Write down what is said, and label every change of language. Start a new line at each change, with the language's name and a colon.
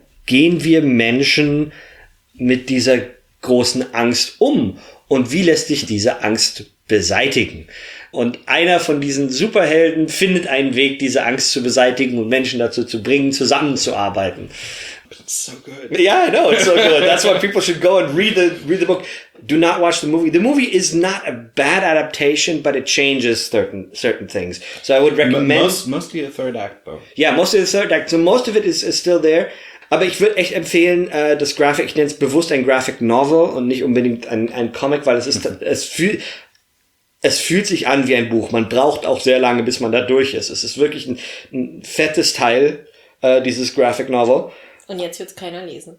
German: gehen wir Menschen mit dieser großen Angst um? Und wie lässt sich diese Angst beseitigen? Und einer von diesen Superhelden findet einen Weg, diese Angst zu beseitigen und Menschen dazu zu bringen, zusammenzuarbeiten.
English: It's so good. Yeah, I know, it's so good. That's why people should go and read the book. Do not watch the movie. The movie is not a bad adaptation, but it changes certain things. So I would recommend... Mostly the third act, though. Yeah, mostly the third act. So most of it is still there.
German: Aber ich würde echt empfehlen, das Graphic, ich nenne es bewusst ein Graphic Novel und nicht unbedingt ein Comic, weil es fühlt sich an wie ein Buch. Man braucht auch sehr lange, bis man da durch ist. Es ist wirklich ein fettes Teil, dieses Graphic Novel. Und jetzt wird es keiner lesen.